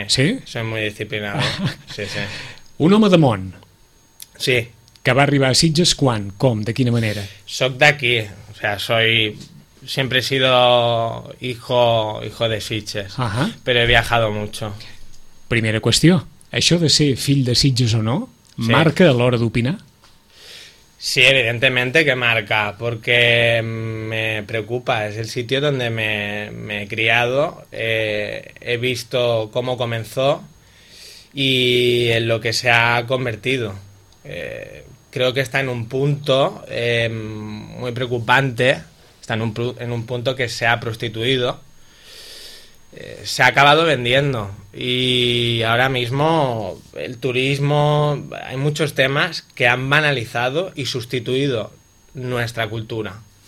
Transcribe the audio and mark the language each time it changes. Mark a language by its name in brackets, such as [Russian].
[Spanish] ¿Sí? Soy muy disciplinado, sí, sí. [Catalan] Un home de món. [Spanish] Sí. [Catalan] Que va arribar a Sitges quan? Com? De quina manera? Soc d'aquí, [Spanish] o sea, siempre he sido hijo de Sitges, pero he viajado mucho. [Catalan] Primera qüestió, això de ser fill de Sitges o no, sí, marca a l'hora d'opinar? [Spanish] Sí, evidentemente que marca, porque me preocupa, es el sitio donde me he criado, he visto cómo comenzó y en lo que se ha convertido. Creo que está en un punto muy preocupante, está en un punto que se ha prostituido, se ha acabado vendiendo y ahora mismo el turismo, hay muchos temas que han banalizado y sustituido nuestra cultura.